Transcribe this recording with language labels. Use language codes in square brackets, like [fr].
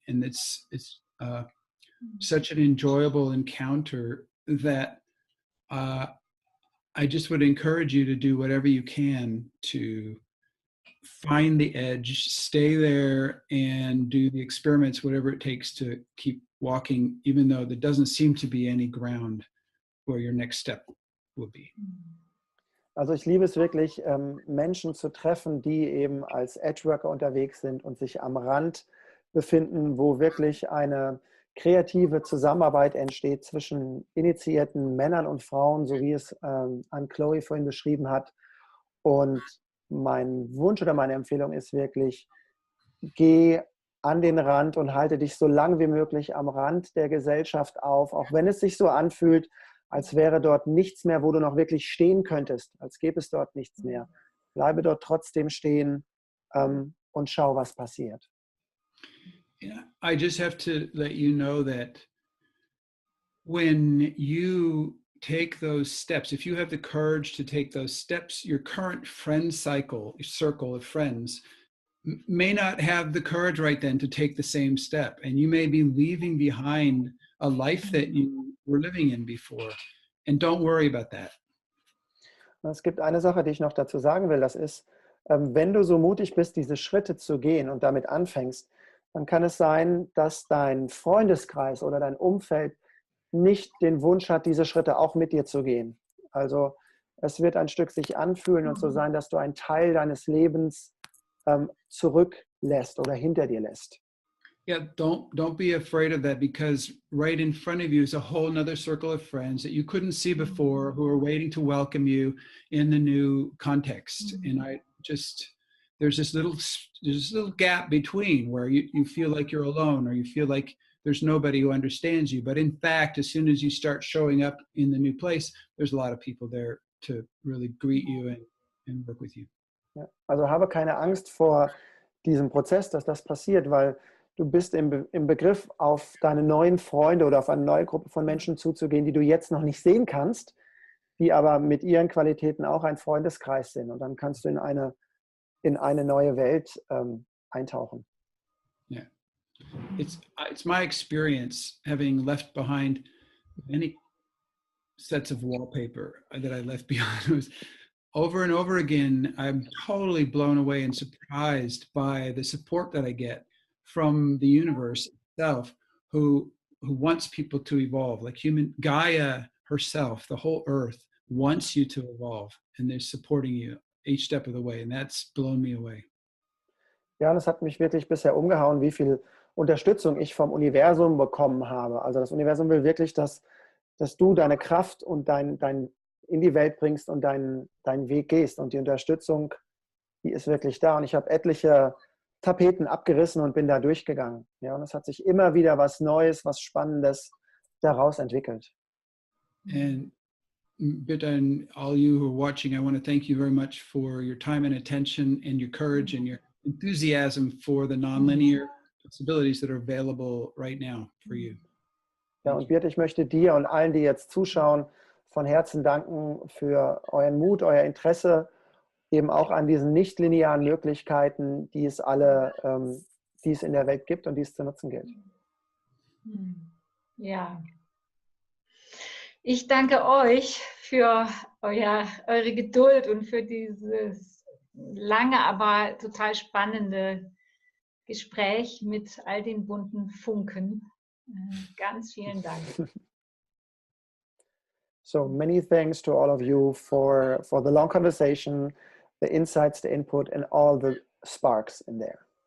[en] And it's such an enjoyable encounter that I just would encourage you to do whatever you can to find the edge, stay there, and do the experiments, whatever it takes to keep walking, even though there doesn't seem to be any ground where your next step will be. [de] Also ich liebe es wirklich, Menschen zu treffen, die eben als Edgeworker unterwegs sind und sich am Rand befinden, wo wirklich eine kreative Zusammenarbeit entsteht zwischen initiierten Männern und Frauen, so wie es Anne Chloe vorhin beschrieben hat. Und mein Wunsch oder meine Empfehlung ist wirklich, geh an den Rand und halte dich so lang wie möglich am Rand der Gesellschaft auf, auch wenn es sich so anfühlt, als wäre dort nichts mehr, wo du noch wirklich stehen könntest, als gäbe es dort nichts mehr. Bleibe dort trotzdem stehen und schau, was passiert. [en] Yeah, I just have to let you know that when you take those steps, if you have the courage to take those steps, your current friend cycle, your circle of friends, may not have the courage right then to take the same step. And you may be leaving behind a life that you were living in before. And don't worry about that. [de] Es gibt eine Sache, die ich noch dazu sagen will, das ist, wenn du so mutig bist, diese Schritte zu gehen und damit anfängst, dann kann es sein, dass dein Freundeskreis oder dein Umfeld nicht den Wunsch hat, diese Schritte auch mit dir zu gehen. Also es wird ein Stück sich anfühlen und so sein, dass du einen Teil deines Lebens zurücklässt oder hinter dir lässt. [en] Yeah, don't be afraid of that, because right in front of you is a whole another circle of friends that you couldn't see before, who are waiting to welcome you in the new context. And I just... There's this little gap between where you feel like you're alone, or you feel like there's nobody who understands you. But in fact, as soon as you start showing up in the new place, there's a lot of people there to really greet you and work with you. [de] Ja, also habe keine Angst vor diesem Prozess, dass das passiert, weil du bist im Begriff, auf deine neuen Freunde oder auf eine neue Gruppe von Menschen zuzugehen, die du jetzt noch nicht sehen kannst, die aber mit ihren Qualitäten auch ein Freundeskreis sind. Und dann kannst du in eine neue Welt eintauchen. [en] Yeah. It's my experience, having left behind many sets of wallpaper that I left behind. It was over and over again, I'm totally blown away and surprised by the support that I get from the universe itself, who wants people to evolve. Like human Gaia herself, the whole earth wants you to evolve, and they're supporting you each step of the way, and that's blown me away. [de] Ja, das hat mich wirklich bisher umgehauen, wie viel Unterstützung ich vom Universum bekommen habe. Also das Universum will wirklich, dass du deine Kraft und dein in die Welt bringst und deinen Weg gehst. Und die Unterstützung, die ist wirklich da. Und ich habe etliche Tapeten abgerissen und bin da durchgegangen. Ja, und es hat sich immer wieder was Neues, was Spannendes daraus entwickelt. [en] And Bitte, and all you who are watching, I want to thank you very much for your time and attention and your courage and your enthusiasm for the nonlinear possibilities that are available right now for you. [de] Ja, und Bitte, ich möchte dir und allen, die jetzt zuschauen, von Herzen danken für euren Mut, euer Interesse, eben auch an diesen nichtlinearen Möglichkeiten, die es alle, die es in der Welt gibt und die es zu nutzen gilt. Ja. Ich danke euch für eure Geduld und für dieses lange, aber total spannende Gespräch mit all den bunten Funken. Ganz vielen Dank. [en] So many thanks to all of you for the long conversation, the insights, the input and all the sparks in there.